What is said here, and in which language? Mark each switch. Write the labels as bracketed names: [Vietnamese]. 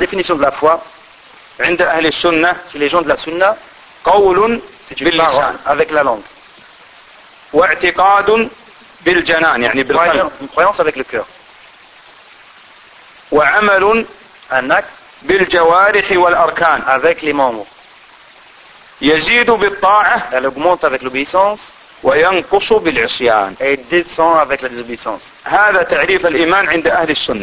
[French] definition de la foi, [Arabic] عند أهل السنة, [French] chez les gens de la Sunna, [Arabic] قول باللسان, [French] avec la langue, [Arabic] واعتقاد بالجنان, يعني بالقلب, [French] croyance avec le cœur, [Arabic] وعمل, [French] un acte, [Arabic] بالجوارح والأركان, [French] avec les membres, [Arabic] يزيد بالطاعة, [French] elle augmente avec l'obéissance, [Arabic] وينقص بالعصيان, [French] et descend avec la désobéissance. [Arabic] هذا تعريف الإيمان عند أهل السنة.